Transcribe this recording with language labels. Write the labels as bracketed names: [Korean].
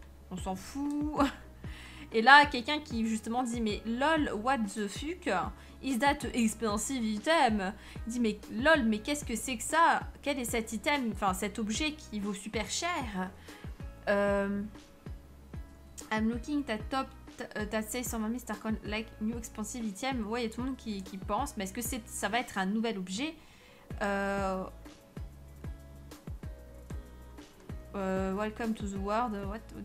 [French] On s'en fout. Et là, quelqu'un qui justement dit, mais lol, [English] what the fuck? Is that expensive item? [French] Il dit, mais lol, mais qu'est-ce que c'est que ça? Quel est cet item, enfin cet objet qui vaut super cher? [English] I'm looking at top, that says 120 000 Starcoin, like new expensive item. [French] Ouais, il y a tout le monde qui pense, mais est-ce que ça va être un nouvel objet? [English] Welcome to the world, what?